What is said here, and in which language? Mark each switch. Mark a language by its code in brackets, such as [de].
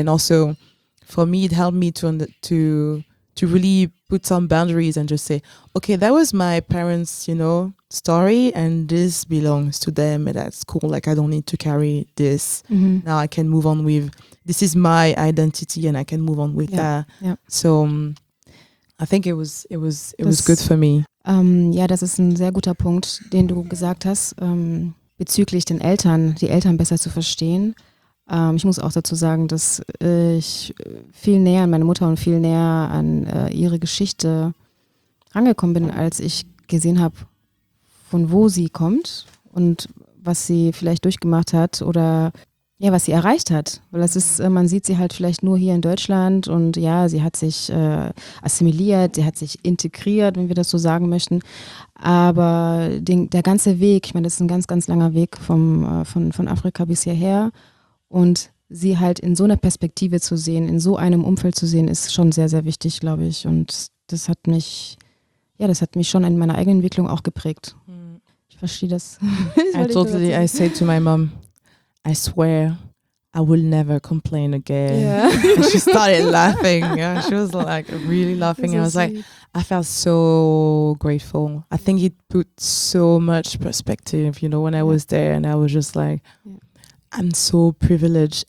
[en] And also, for me, it helped me to really put some boundaries and just say, okay, that was my parents', you know, story, and this belongs to them, and that's cool. Like, I don't need to carry this. Mm-hmm. Now I can move on with, this is my identity, and I can move on with that. Yeah. So I think it was good for me. [de] Ja, das ist ein sehr guter Punkt, den du gesagt hast, bezüglich den Eltern, die Eltern besser zu verstehen. Ich muss auch dazu sagen, dass ich viel näher an meine Mutter und viel näher an ihre Geschichte rangekommen bin, als ich gesehen habe, von wo sie kommt und was sie vielleicht durchgemacht hat oder ja, was sie erreicht hat. Weil das ist, man sieht sie halt vielleicht nur hier in Deutschland und ja, sie hat sich assimiliert, sie hat sich integriert, wenn wir das so sagen möchten. Aber der ganze Weg, ich meine, das ist ein ganz, ganz langer Weg von Afrika bis hierher. Und sie halt in so einer Perspektive zu sehen, in so einem Umfeld zu sehen, ist schon sehr, sehr wichtig, glaube ich. Und das hat mich, ja, das hat mich schon in meiner eigenen Entwicklung auch geprägt. Ich verstehe das. [en] I say to my mom, I swear, I will never complain again. Yeah. She started laughing. Yeah, she was like really laughing. And I was like, I felt so grateful. I think it put so much perspective, you know, when I was there, and I was just like, I'm so privileged.